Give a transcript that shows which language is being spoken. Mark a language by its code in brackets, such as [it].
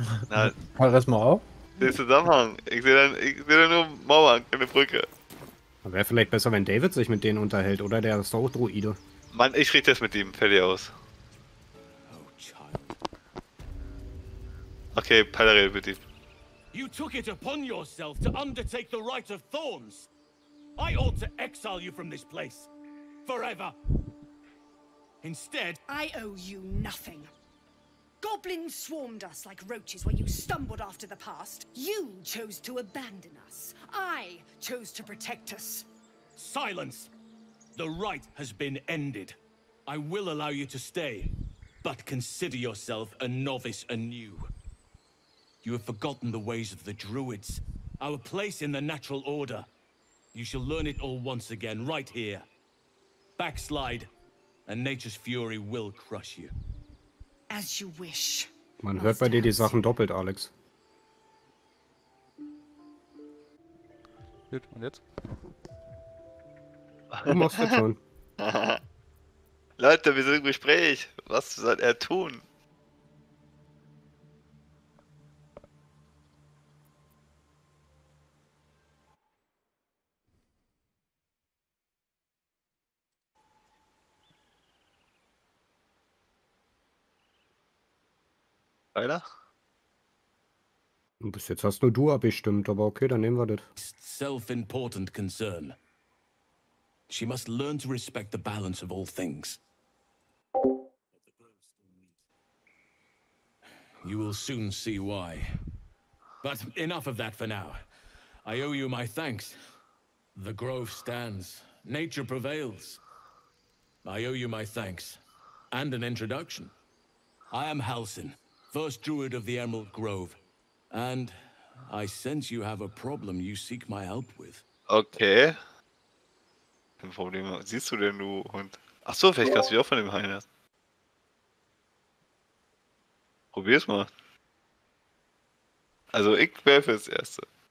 [de] Na, Charisma auch? Den Zusammenhang. Ich seh da nur Mauern, keine Brücke. Wäre vielleicht besser, wenn David sich mit denen unterhält, oder? Der ist auch Druide. Mann, ich rede jetzt mit ihm. Fertig aus. Okay, Peiler redet mit ihm. [en] You took it upon yourself to undertake the Rite of Thorns. I ought to exile you from this place. Forever. Instead, I owe you nothing. Goblins swarmed us like roaches when you stumbled after the past. You chose to abandon us. I chose to protect us. Silence! The rite has been ended. I will allow you to stay, but consider yourself a novice anew. You have forgotten the ways of the druids, our place in the natural order. You shall learn it all once again, right here. Backslide, and nature's fury will crush you. As you wish. [de] Man hört bei dir die Sachen doppelt, Alex. Gut, und jetzt? Du machst das schon. Leute, wir sind im Gespräch. Was soll er tun? Alter? Bis jetzt hast nur du abgestimmt, aber okay, dann nehmen wir das. [en] Self-important concern. She must learn to respect the balance of all things. You will soon see why. But enough of that for now. I owe you my thanks. The grove stands. Nature prevails. I owe you my thanks. And an introduction. I am Halsin. First Druid of the Emerald Grove, and I sense you have a problem you seek my help with. Okay. [de] Ein Problem siehst du denn, du Hund? Achso, vielleicht kannst du auch von dem Hain lassen. Probier's mal. Also ich wäre fürs Erste.